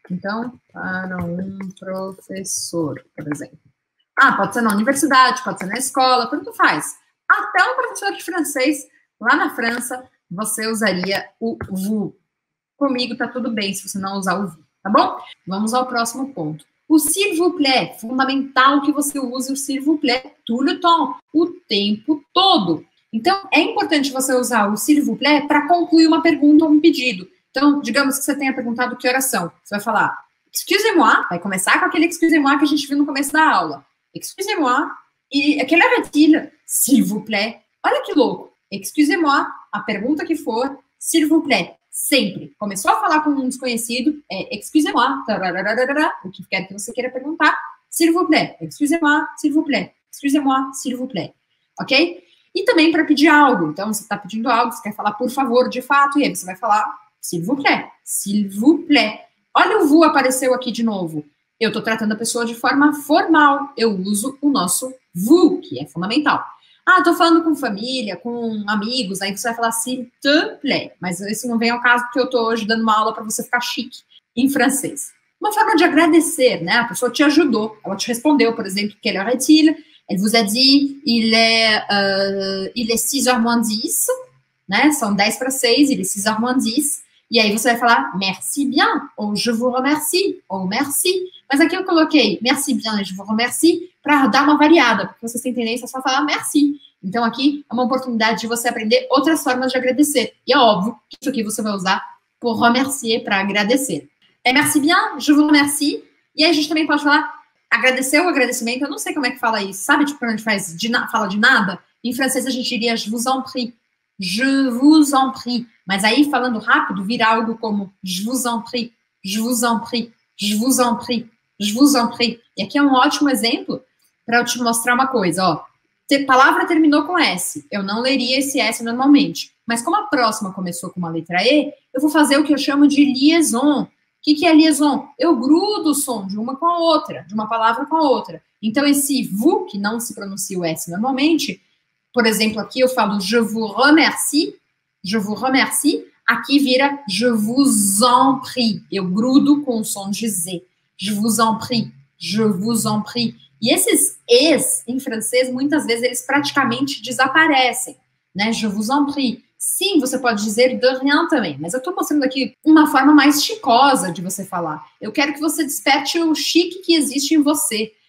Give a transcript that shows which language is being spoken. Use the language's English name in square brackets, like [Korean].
[Portuguese] Então, para um professor, por exemplo. Ah, pode ser na universidade, pode ser na escola, tanto faz. Até um professor de francês, lá na França, você usaria o vous. Comigo tá tudo bem se você não usar o vous, tá bom? Vamos ao próximo ponto. O s'il vous plaît, fundamental que você use o s'il vous plaît [French] tout le temps, [Portuguese] o tempo todo. Então, é importante você usar o s'il vous plaît para concluir uma pergunta ou um pedido. Então, digamos que você tenha perguntado que horas são. Você vai falar, excusez-moi, vai começar com aquele excusez-moi que a gente viu no começo da aula. [French] Excusez-moi, [Portuguese] e aquela [French] heure-t-il, s'il vous plaît. [Portuguese] Olha que louco, excusez-moi, a pergunta que for, s'il vous plaît. Sempre. Começou a falar com um desconhecido, é excusez-moi, tararararara, o que quer que você queira perguntar, s'il vous plaît, excusez-moi, s'il vous plaît, excusez-moi, s'il vous plaît. Ok? E também para pedir algo. Então, você está pedindo algo, você quer falar por favor, de fato, e aí você vai falar s'il vous plaît, s'il vous plaît. Olha o vous apareceu aqui de novo. Eu estou tratando a pessoa de forma formal. Eu uso o nosso vous, que é fundamental. Ah, tô falando com família, com amigos, aí você vai falar [French] s'il te plaît. [Portuguese] Mas isso não vem ao caso, porque eu tô hoje dando uma aula para você ficar chique em francês. Uma forma de agradecer, né? A pessoa te ajudou, ela te respondeu, por exemplo, [French] quelle heure est-il? Elle vous a dit, il est 6h moins 10, né? [Portuguese] São 10 para 6, [French] il est 6h moins 10. [Portuguese] E aí você vai falar merci bien, ou [French] je vous remercie, [Portuguese] ou merci. Mas aqui eu coloquei [French] merci bien et je vous remercie [Portuguese] para dar uma variada, porque vocês têm tendência só a falar merci. Então aqui é uma oportunidade de você aprender outras formas de agradecer. E é óbvio que isso aqui você vai usar por remercier, para agradecer. [French] É merci bien, je vous remercie. [Portuguese] E aí a gente também pode falar agradecer ou agradecimento. Eu não sei como é que fala isso. Sabe tipo quando a gente faz fala de nada? Em francês a gente diria [French] je vous en prie. Je vous en prie. [Portuguese] Mas aí falando rápido vira algo como [French] je vous en prie, je vous en prie. Je vous en prie, je vous en prie. [Portuguese] E aqui é um ótimo exemplo para eu te mostrar uma coisa. Ó. A palavra terminou com S. Eu não leria esse S normalmente. Mas como a próxima começou com uma letra E, eu vou fazer o que eu chamo de liaison. O que, que é liaison? Eu grudo o som de uma com a outra, de uma palavra com a outra. Então esse vous, que não se pronuncia o S normalmente, por exemplo, aqui eu falo [French] je vous remercie, je vous remercie. [Portuguese] Aqui vira [French] je vous en prie. [Portuguese] Eu grudo com o som de Z. [French] Je vous en prie. Je vous en prie. [Portuguese] E esses es em francês, muitas vezes, eles praticamente desaparecem. Né? [French] Je vous en prie. [Portuguese] Sim, você pode dizer [French] de rien [Portuguese] também. Mas eu estou mostrando aqui uma forma mais chicosa de você falar. Eu quero que você desperte o chique que existe em você.